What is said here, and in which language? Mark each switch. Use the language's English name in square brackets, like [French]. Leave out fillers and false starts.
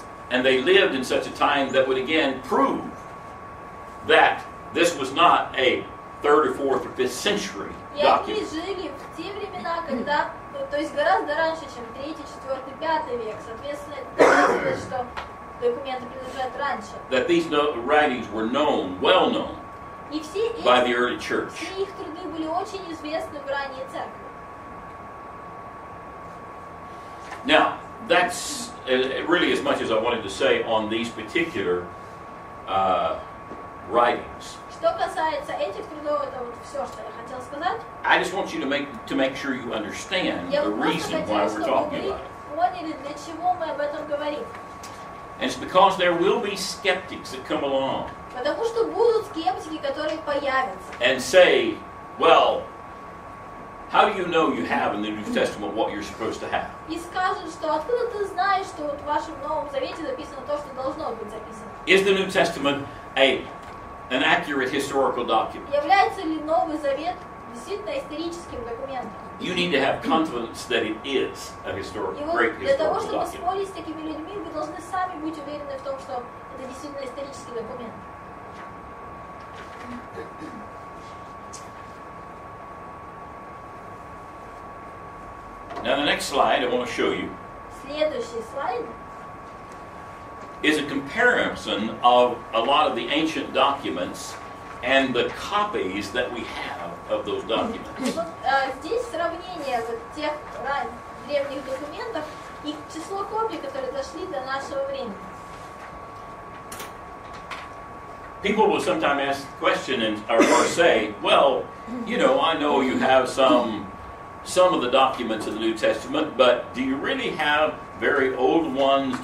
[English] And they lived in such a time that would again prove that this was not a 3rd or 4th or 5th century document. [Russian] То есть гораздо раньше, чем 3-й, 4-й, 5-й век. Соответственно, это доказывает, что документы принадлежат раньше. [English] That these writings were known, well known, by the early church. [Russian] Все их труды были очень известны в ранней церкви. [English] Now, that's really as much as I wanted to say on these particular writings. [Russian] Что касается этих трудов, это вот все, что я хотел сказать. [English] I just want you to make sure you understand the reason why we're talking about it. And it's because there will be skeptics that come along. [Russian] Потому что будут скептики, которые появятся. [English] And say, well, how do you know you have in the New Testament what you're supposed to have? [Russian] И скажут, что откуда ты знаешь, что вот в вашем Новом Завете написано то, что должно быть записано? [English] Is the New Testament an accurate historical document? [Russian] Является ли Новый Завет действительно историческим документом? [English] You need to have confidence that it is a historical, great historical document. [Russian] Для того, чтобы спорить с такими людьми, вы должны сами быть уверены в том, что это действительно исторический документ. [English] Now the next slide I want to show you. [Russian] Следующий слайд. [English] Is a comparison of a lot of the ancient documents and the copies that we have of those documents. [Russian] Здесь сравнение вот тех древних документов и число копий, которые дошли до нашего времени. [English] People will sometimes ask the question or say, well, you know, I know you have some of the documents of the New Testament, but do you really have very old ones?